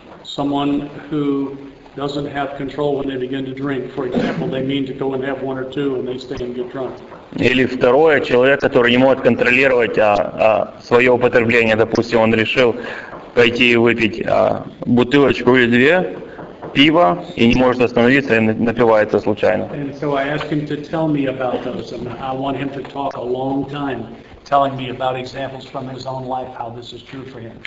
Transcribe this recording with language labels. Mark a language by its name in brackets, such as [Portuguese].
[English] someone who doesn't have control when they begin to drink. For example, they mean to go and have one or two and they stay and get drunk. [Russian] Или второе, человек, который не может контролировать свое употребление. Допустим, он решил пойти и выпить бутылочку или две пива и не может остановиться и напивается случайно. [English] And so I ask him to tell me about those, and I want him to talk a long time, telling me about examples from his own life, how this is true for him.